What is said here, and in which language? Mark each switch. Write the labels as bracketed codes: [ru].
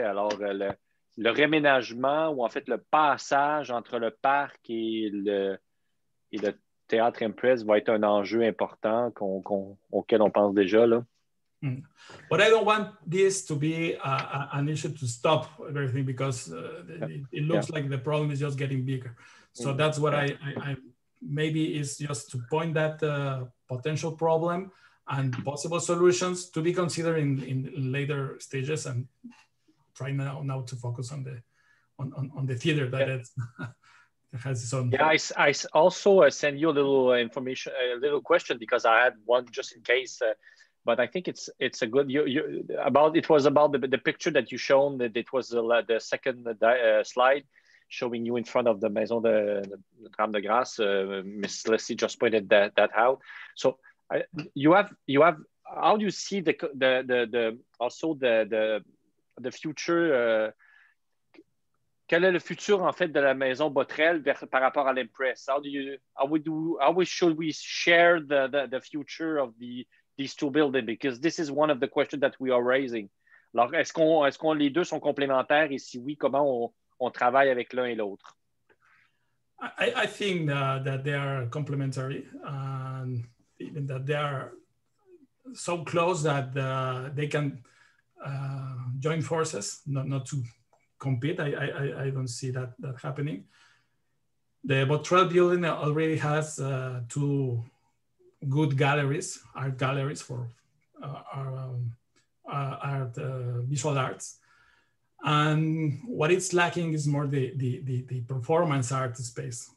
[fr] Alors le réménagement, ou en fait le passage entre le parc et le théâtre Empress, va être un enjeu important auquel on pense déjà là. [en] But I don't want this to be an issue to stop everything, because it looks like the problem is just getting bigger. So that's what I maybe is just to point that potential problem and possible solutions to be considered in later stages, and try now to focus on the theater that has its own. I also send you a little information, a little question, because I had one just in case. But I think it's a good the picture that you shown, that it was the second slide showing you in front of the Maison de Drame de Grasse. Miss Leslie just pointed that out. So you have how do you see the future? [fr] Quel est le futur en fait de la Maison Botrel par rapport à l'Impress? [en] How should we share the future of the these two buildings, because this is one of the questions that we are raising. [fr] Alors, est-ce qu'on les deux sont complémentaires, et si oui, comment on travaille avec l'un et l'autre? [en] I think that they are complementary, and even that they are so close that they can join forces, not to compete. I don't see that happening. The Botrel building already has two good galleries, art galleries for art, visual arts, and what it's lacking is more the performance art space.